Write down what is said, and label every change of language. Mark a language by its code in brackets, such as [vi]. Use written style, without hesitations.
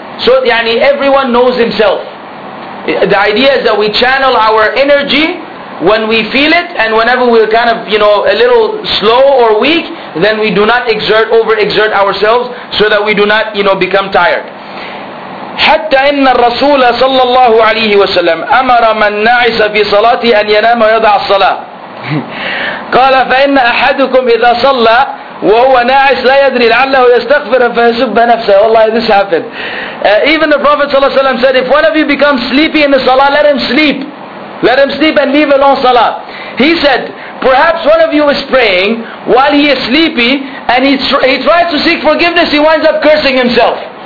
[en] So everyone knows himself. The idea is that we channel our energy when we feel it, and whenever we're kind of a little slow or weak, then we do not overexert ourselves so that we do not become tired. [ar] حتى إن الرسول صلى الله عليه وسلم أمر من نعس في صلاته أن ينام ويضع الصلاة. قال فإن أحدكم إذا صلى وهو ناعس لا يدري لعله يستغفر فيسب نفسه. [en] والله this happened. Even the Prophet صلى الله عليه وسلم said, if one of you becomes sleepy in the salah, let him sleep. Let him sleep and leave alone salah. He said, perhaps one of you is praying while he is sleepy and he tries to seek forgiveness, he winds up cursing himself.